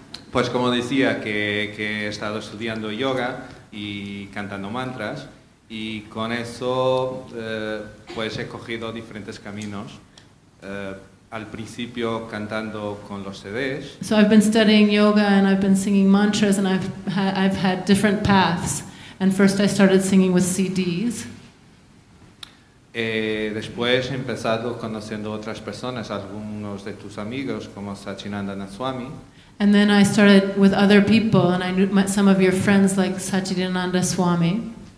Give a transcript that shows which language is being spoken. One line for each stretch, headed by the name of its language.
Spanish: Pues como decía, que he estado estudiando yoga y cantando mantras, y con eso pues he cogido diferentes caminos. Al principio cantando con los CDs.
English: So I've been studying yoga and I've been singing mantras and I've had different paths. And first I started singing with CDs.
Spanish: Después he empezado conociendo otras personas, algunos de tus amigos como Sachinandana Swami.
English: And then I started with other people and I met some of your friends like Sachinandana Swami.